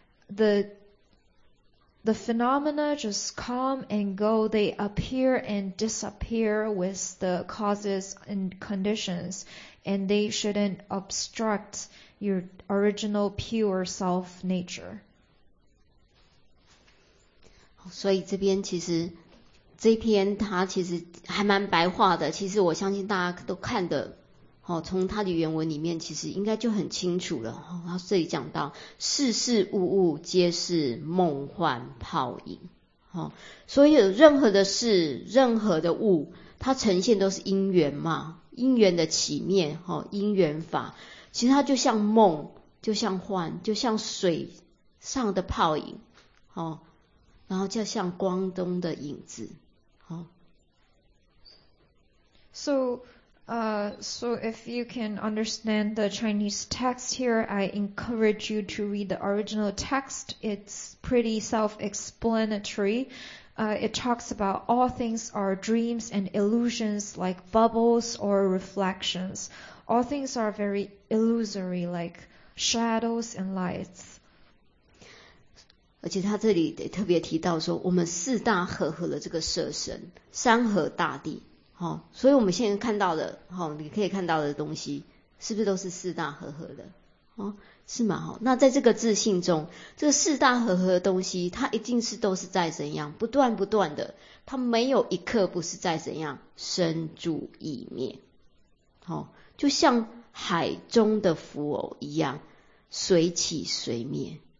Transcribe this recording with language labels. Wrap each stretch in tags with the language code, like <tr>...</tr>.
<en>The phenomena just come and go. They appear and disappear with the causes and conditions, and they shouldn't obstruct your original pure self nature.</en> <zh>所以这边其实这篇它其实还蛮白话的，其实我相信大家都看的，从它的原文里面其实应该就很清楚了。它这里讲到事事物物皆是梦幻泡影，所以任何的事任何的物它呈现都是因缘嘛，因缘的起灭，因缘法，其实它就像梦，就像幻，就像水上的泡影，然后就像光中的影子。</zh> <en>So if you can understand the Chinese text here, I encourage you to read the original text. It's pretty self-explanatory. It talks about all things are dreams and illusions like bubbles or reflections. All things are very illusory like shadows and lights.</en> <zh>而且他这里也特别提到说，我们四大合合的这个色身，山河大地，所以我们现在看到的，你可以看到的东西，是不是都是四大合合的？是吗？那在这个自信中，这个四大合合的东西，它一定是都是在怎样，不断的，它没有一刻不是在怎样，生住异灭，就像海中的浮偶一样，随起随灭。</zh>